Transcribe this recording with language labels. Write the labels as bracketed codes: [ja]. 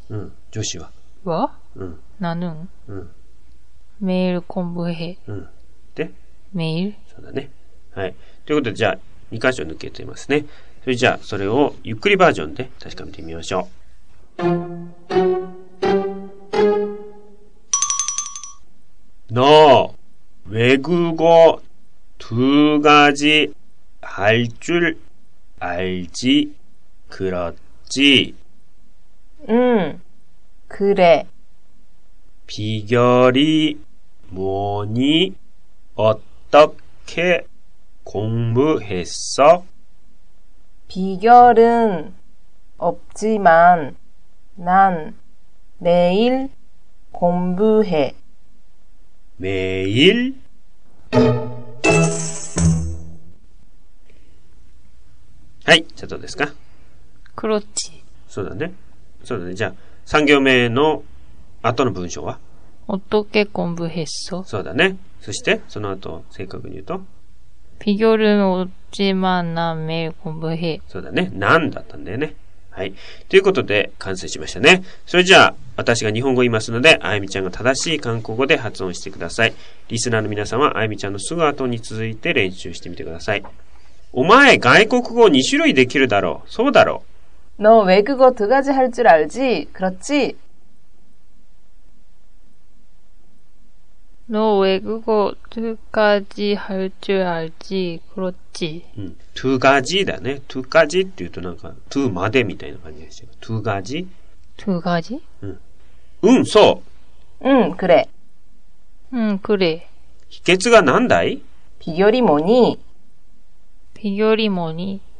[ja] うん、助詞はわ、うん、なぬん、うん、メールコンブヘ、うん、でメール、そうだね。はい、ということでじゃあ2箇所抜けていますね。それじゃあそれをゆっくりバージョンで確かめてみましょう。 [ko] 너외국어두가지할줄알지그렇지 응그래 비결이뭐니어떻게공부했어 비결은없지만난매일공부해 매일 [ja] はい、じゃあどうですか。 [ko] 그렇지。 [ja] そうだね。そうだね。じゃあ3行目の後の文章は [ko] 어떻게공부했어。 [ja] そうだね。そしてその後正確に言うと [ko] 비결은없지만난매일공부해。 [ja] そうだね。なんだったんだよね。はい。ということで、完成しましたね。それじゃあ、私が日本語言いますので、あゆみちゃんが正しい韓国語で発音してください。リスナーの皆さんは、あゆみちゃんのすぐ後に続いて練習してみてください。お前、外国語2種類できるだろう。そうだろう。 [ko] 너、외국어두가지할줄알지그렇지 너외국어두가지할줄알지그렇지 두가지 [ja] だね。 [ko] 두가지 [ja] って言うとなんか、두までみたいな感じがして。 [ko] 두가지 두가지 응、 [ja] そう。 [ko] 응、그래。 응、그래。 [ja] 秘訣が何だい [ko] 비결이뭐니 비결이뭐니